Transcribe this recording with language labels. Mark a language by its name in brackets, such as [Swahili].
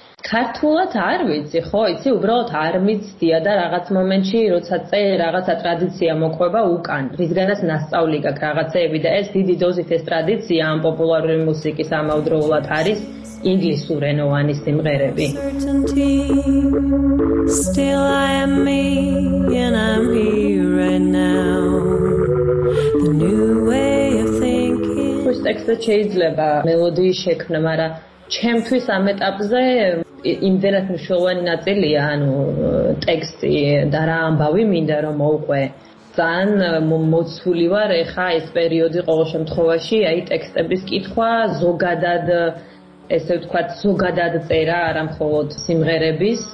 [Georgian] ქართულად არ ვიცი, ხო, იცი, უბრალოდ არ მიცდია და რაღაც მომენტში როცა წერ რაღაცა ტრადიცია მოყვება უკან, რისგანაც ნასწავლი გაქვს რაღაცეები და ეს დიდი დოზით ეს ტრადიცია ამ პოპულარული მუსიკის ამავდროულად არის ინგლისურ ენოვანი სიმღერები. [English] Still I am me and I'm here right now. The new way of thinking. [Georgian] ეს ტექსტი შეიძლება მელოდიის შექმნა, მაგრამ ჩემთვის ამ ეტაპზე იმდენად მნიშვნელოვანი ნაწილია, ანუ ტექსტი და რა ამბავი მინდა რომ მოუყვე. ძალიან მოცული ვარ ეხა ეს პერიოდი ყოველ შემთხვევაში, აი ტექსტების კითხვა, ზოგადად ესე ვთქვათ, ზოგადად წერა არა მხოლოდ სიმღერების.